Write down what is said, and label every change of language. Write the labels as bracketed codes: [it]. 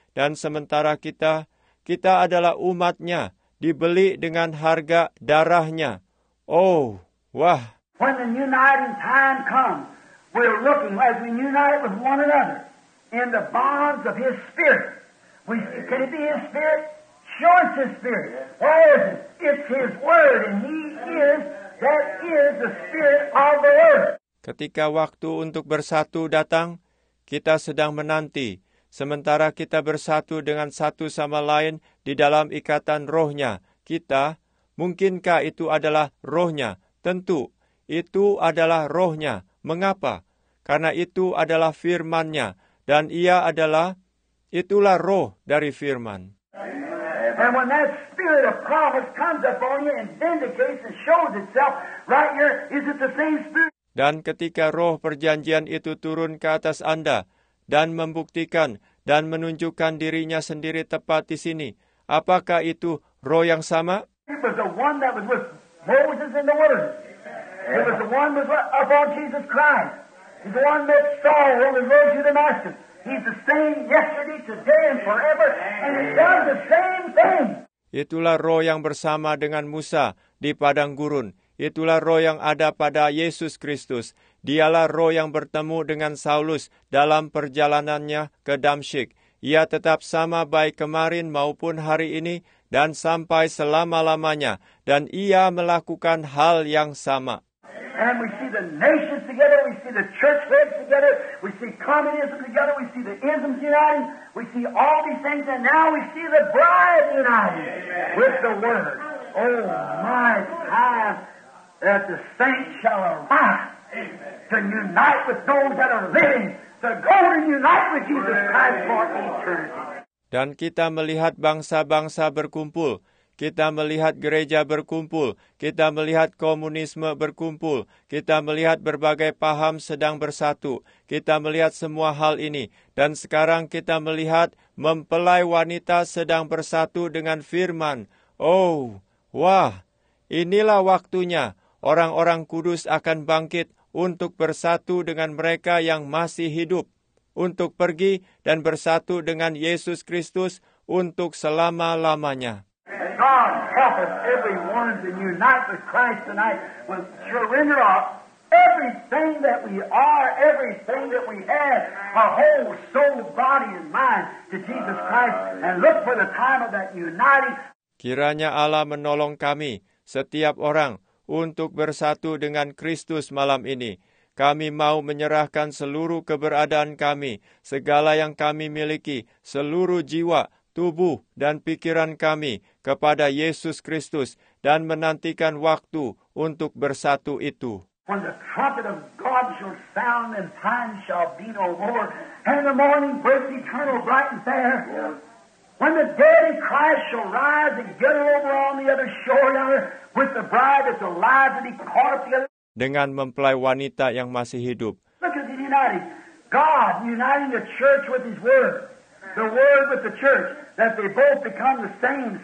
[id] Dan sementara kita adalah umat-Nya, dibeli dengan harga darah-Nya. Oh, wah. [en] When the uniting time comes, we're looking as we unite with one another in the bonds of His Spirit. Can it be His Spirit? Sure, it's His Spirit. What is it? It's His Word, and He is, that is the Spirit of the Word. [id] Ketika waktu untuk bersatu datang, kita sedang menanti. Sementara kita bersatu dengan satu sama lain di dalam ikatan roh-Nya, kita, mungkinkah itu adalah roh-Nya? Tentu, itu adalah roh-Nya. Mengapa? Karena itu adalah firman-Nya, dan ia adalah, itulah roh dari firman. [en] And when that spirit of promise comes upon you and vindicates and shows itself right here, is it the same spirit? [id] Dan ketika roh perjanjian itu turun ke atas Anda, dan membuktikan dan menunjukkan diri-Nya sendiri tepat di sini. Apakah itu roh yang sama? [en] It was the one that was with Moses in the wilderness. It was the one that was upon Jesus Christ. He's the one that saw on the road to Damascus. He's the same yesterday, today, and forever, and He's done the same thing. [id] Itulah roh yang bersama dengan Musa di padang gurun. Itulah roh yang ada pada Yesus Kristus. Dialah roh yang bertemu dengan Saulus dalam perjalanannya ke Damsyik. Ia tetap sama baik kemarin maupun hari ini dan sampai selama-lamanya. Dan ia melakukan hal yang sama. [en] And we see the nations together, we see the church heads together, we see communism together, we see the isms united, we see all these things, and now we see the bride united. Amen. With the Word. Oh my God, that the saints shall arise. To unite with those that are living, to go and unite with Jesus Christ for eternity. [id] Dan kita melihat bangsa-bangsa berkumpul, kita melihat gereja berkumpul, kita melihat komunisme berkumpul, kita melihat berbagai paham sedang bersatu, kita melihat semua hal ini, dan sekarang kita melihat mempelai wanita sedang bersatu dengan firman. Oh, wah, inilah waktunya orang-orang kudus akan bangkit untuk bersatu dengan mereka yang masih hidup, untuk pergi dan bersatu dengan Yesus Kristus untuk selama-lamanya. [en] God help us every one to unite with Christ tonight. We'll surrender up everything that we are, everything that we have, our whole soul, body, and mind to Jesus Christ, and look for the time of that uniting. [id] Kiranya Allah menolong kami, setiap orang, untuk bersatu dengan Kristus malam ini. Kami mau menyerahkan seluruh keberadaan kami, segala yang kami miliki, seluruh jiwa, tubuh, dan pikiran kami kepada Yesus Kristus dan menantikan waktu untuk bersatu itu. [en] When the trumpet of God shall sound and time shall be no more, and the morning breaks eternal bright and fair, when the dead in Christ shall rise and get over on the other shore yonder with the bride that's alive to be caught up together. [id] Dengan mempelai wanita yang masih hidup. [en] Look at the united. God uniting the church with his word. The word with the church. That they both become the same.